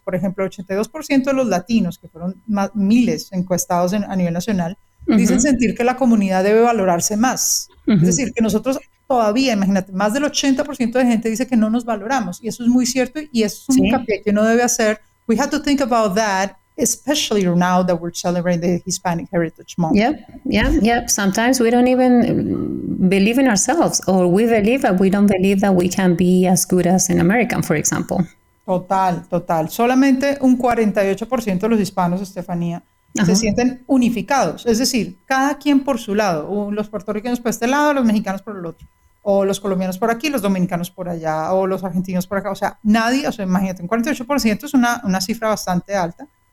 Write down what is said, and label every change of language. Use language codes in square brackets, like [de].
[es] Por ejemplo, 82% de los latinos, que fueron miles encuestados a nivel nacional, dicen sentir que la comunidad debe valorarse más. Es decir, que nosotros todavía, imagínate, más del 80% de gente dice que no nos valoramos. Y eso es muy cierto y eso es un hincapié que uno debe hacer. [en] We have to think about that. Especially now that we're celebrating the Hispanic Heritage Month. Yep. Sometimes we don't even believe in ourselves, or we believe that we don't believe that we can be as good as an American, for example. [es] Total. Solamente un 48% de los hispanos, Estefanía, se sienten unificados. Es decir, cada quien por su lado. Los puertorriqueños por este lado, los mexicanos por el otro. O los colombianos por aquí, los dominicanos por allá, o los argentinos por acá. O sea, imagínate, un 48% es una cifra bastante alta.